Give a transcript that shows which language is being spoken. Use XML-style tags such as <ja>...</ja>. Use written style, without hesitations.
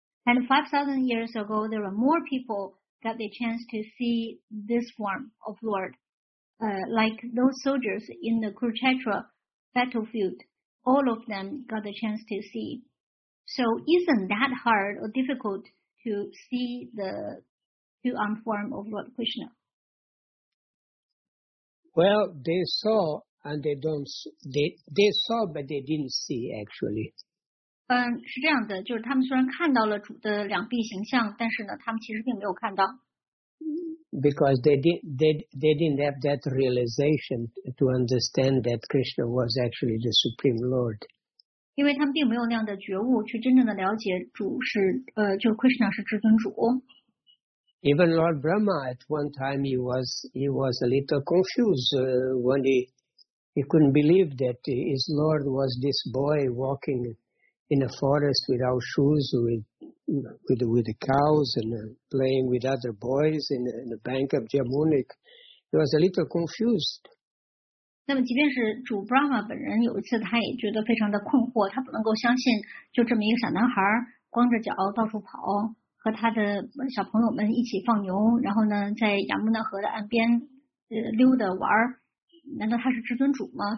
<en>And 5,000 years ago, there were more peoplegot the chance to see this form of Lord, like those soldiers in the Kurukshetra battlefield, all of them got the chance to see. So isn't that hard or difficult to see the two-arm form of Lord Krishna? Well, they saw and they saw but they didn't see actually.</en> <zh>是这样的，就是他们虽然看到了主的两臂形象，但是呢，他们其实并没有看到。</zh> <en>Because they didn't have that realization to understand that Krishna was actually the Supreme Lord.</en> <zh>因为他们并没有那样的觉悟，去真正的了解主是就 Krishna 是至尊主。</zh> <en>Even Lord Brahma at one time he was a little confused when he couldn't believe that his Lord was this boy walking. In a forest without shoes, with the cows, and playing with other boys in the bank of Jamuna, he was a little confused.</en> <zh>那么，即便是主 Brahma 本人，有一次他也觉得非常的困惑，他不能够相信，就这么一个小男孩光着脚到处跑，和他的小朋友们一起放牛，然后呢，在亚穆纳河的岸边溜达玩，难道他是至尊主吗？</zh>